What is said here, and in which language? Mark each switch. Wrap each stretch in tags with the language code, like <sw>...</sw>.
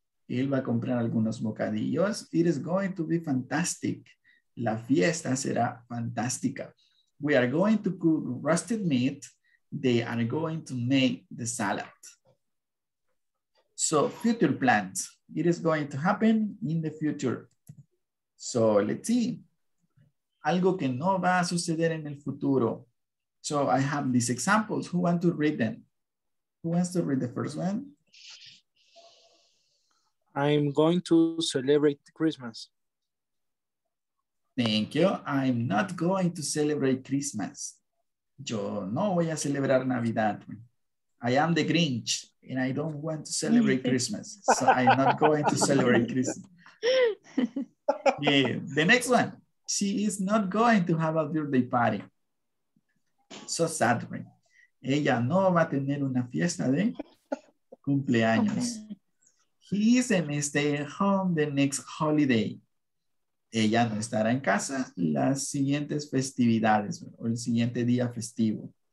<es>Él va a comprar algunos bocadillos.</es> <en>It is going to be fantastic.</en> <es>La fiesta será fantástica.</es> <en>We are going to cook roasted meat. They are going to make the salad. So future plans. It is going to happen in the future. So let's see.</en> <es>Algo que no va a suceder en el futuro.</es> <en>So I have these examples. Who wants to read them? Who wants to read the first one? I'm going to celebrate Christmas. Thank you. I'm not going to celebrate Christmas.</en> <es>Yo no voy a celebrar Navidad.</es> <en>I am the Grinch and I don't want to celebrate Christmas. So I'm not going to celebrate Christmas. Yeah. The next one. She is not going to have a birthday party. So sad.</en> <es>Ella no va a tener una fiesta de cumpleaños.</es> <en>He is going to stay home the next holiday.</en> <es>Ella no estará en casa las siguientes festividades o el siguiente día festivo.</es>